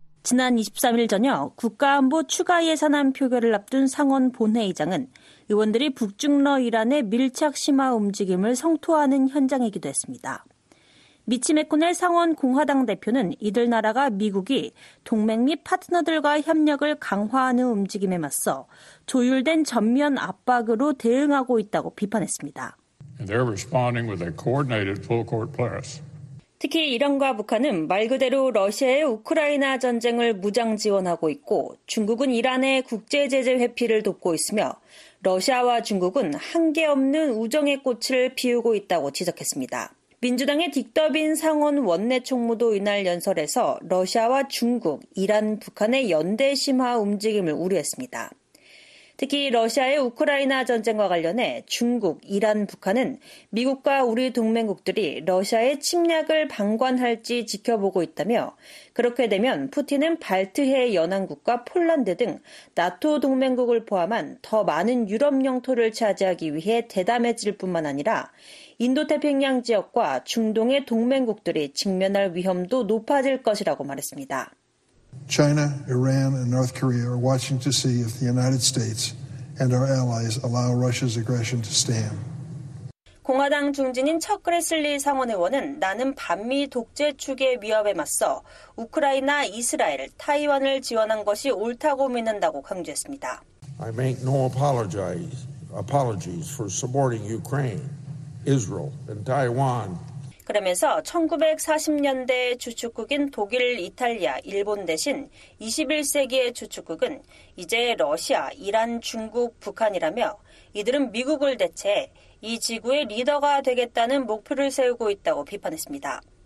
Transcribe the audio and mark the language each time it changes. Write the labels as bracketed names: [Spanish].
[Korean] 지난 23일 저녁 국가안보 추가 예산안 표결을 앞둔 상원 본회의장은 의원들이 북중러 이란의 밀착 심화 움직임을 성토하는 현장이기도 했습니다. 미치 맥코넬 상원 공화당 대표는 이들 나라가 미국이 동맹 및 파트너들과 협력을 강화하는 움직임에 맞서 조율된 전면 압박으로 대응하고 있다고 비판했습니다. [English] And they're responding with a coordinated full court press. [Korean] 특히 이란과 북한은 말 그대로 러시아의 우크라이나 전쟁을 무장 지원하고 있고 중국은 이란의 국제 제재 회피를 돕고 있으며 러시아와 중국은 한계 없는 우정의 꽃을 피우고 있다고 지적했습니다. 민주당의 딕더빈 상원 원내총무도 이날 연설에서 러시아와 중국, 이란, 북한의 연대 심화 움직임을 우려했습니다. 특히 러시아의 우크라이나 전쟁과 관련해 중국, 이란, 북한은 미국과 우리 동맹국들이 러시아의 침략을 방관할지 지켜보고 있다며 그렇게 되면 푸틴은 발트해 연안국과 폴란드 등 나토 동맹국을 포함한 더 많은 유럽 영토를 차지하기 위해 대담해질 뿐만 아니라 인도태평양 지역과 중동의 동맹국들이 직면할 위험도 높아질 것이라고 말했습니다. [English] China, Iran, and North Korea are watching to see if the United States and our allies allow Russia's aggression to stand. [Korean] 공화당 중진인 척 그레슬리 상원의원은 나는 반미 독재 축의 위협에 맞서 우크라이나, 이스라엘, 타이완을 지원한 것이 옳다고 믿는다고 강조했습니다. [English] I make no apologies for supporting Ukraine, Israel, and Taiwan. [Korean] 그러면서 1940년대 주축국인 독일, 이탈리아, 일본 대신 21세기의 주축국은 이제 러시아, 이란, 중국, 북한이라며 이들은 미국을 대체 이 지구의 리더가 되겠다는 목표를 세우고 있다고 비판했습니다.